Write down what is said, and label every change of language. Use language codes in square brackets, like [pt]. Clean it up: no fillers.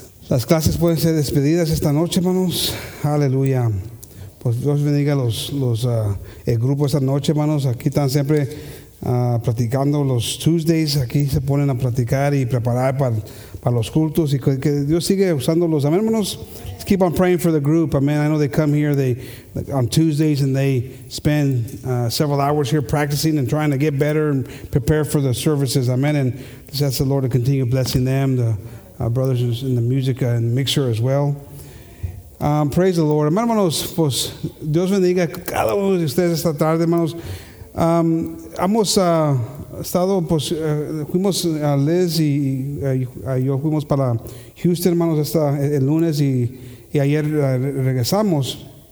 [es] Las clases pueden ser despedidas esta noche, hermanos. Aleluya. Pues Dios bendiga el grupo esta noche, hermanos. Aquí están siempre platicando los Tuesdays, aquí se ponen a platicar y preparar para los cultos y que Dios sigue usándolos. Amén, hermanos. [en] Let's keep on praying for the group. Amen. I know they come here on Tuesdays and they spend several hours here practicing and trying to get better and prepare for the services. Amen. And just ask the Lord to continue blessing them, the brothers in the music and mixer as well. Praise the Lord. [es] Amén, hermanos. Pues Dios bendiga cada uno de ustedes esta tarde, hermanos. Hemos estado, pues, fuimos a Liz y yo fuimos para Houston, hermanos, hasta el lunes y ayer regresamos.